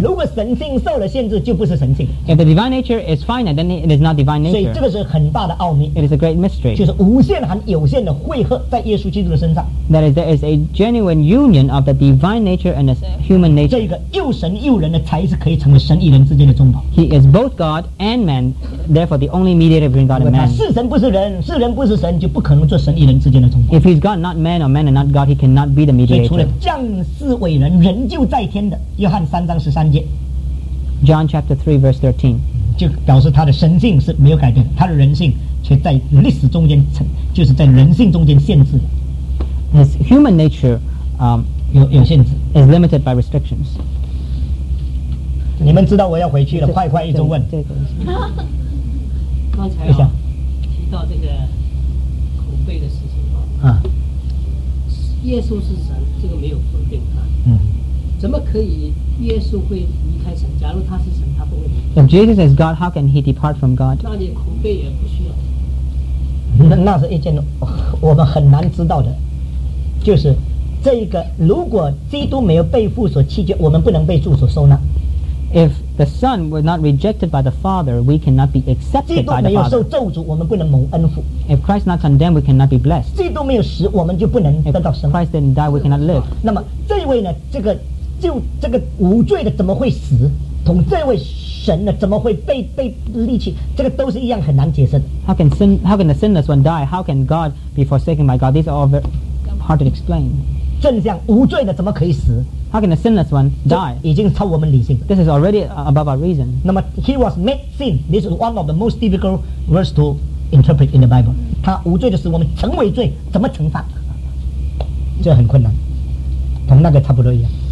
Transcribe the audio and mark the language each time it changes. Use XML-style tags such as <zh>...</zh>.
<zh>如果神性受了限制，就不是神性。</zh> <en>If the divine nature is finite, then it is not divine nature.</en> <zh>所以这个是很大的奥秘。</zh> <en>It is a great mystery.</en> <zh>就是无限和有限的汇合在耶稣基督的身上。</zh> <en>That is, there is a genuine union of the divine nature and the human nature.</en> <zh>这个又神又人的才是可以成为神与人之间的中保。</zh> <en>He is both God and man, therefore the only mediator between God and man.</en> <zh>是神不是人，是人不是神，就不可能做神与人之间的中保。</zh> <en>If he's God, not man, or man and not God, he cannot be the mediator.</en> <zh>所以除了降世为人，人就在天的。约翰三章十三节。</zh> <en>John chapter 3 verse 13。</en> <zh>就表示他的神性是没有改变，他的人性却在历史中间就是在人性中间限制。</zh> <en>His human nature is limited by restrictions.</en> <zh>你们知道我要回去了，快快一直问。刚才提到这个口碑的事情啊，耶稣是神，这个没有分辨啊。怎么可以耶稣会离开神？假如他是神，他不会。</zh> <en>If Jesus is God, how can he depart from God?</en> <zh>那连口碑也不需要。那是一件我们很难知道的。就是这个，如果基督没有被父所弃绝，我们不能被父所收纳。</zh> <en>If the Son were not rejected by the Father, we cannot be accepted by the Father.</en> <zh>基督没有受咒诅，我们不能蒙恩福。</zh> <en>If Christ not condemned, we cannot be blessed.</en> <zh>基督没有死，我们就不能得到生命。</zh> <en>If Christ didn't die, we cannot live.</en> <zh>那么这位呢？这个无罪的怎么会死？同这位神呢？怎么会被离弃？这个都是一样很难解释的。</zh> <en>How can the sinless one die? How can God be forsaken by God? These are all very hard to explain.</en> <zh>正像无罪的怎么可以死？</zh> <en>How can a sinless one die?</en> <zh>已经超我们理性。</zh> <en>This is already above our reason. 那么 he was made sin. This is one of the most difficult verse to interpret in the Bible.</en> <zh>他无罪的使我们成为罪，怎么惩罚？这很困难，同那个差不多一样。</zh>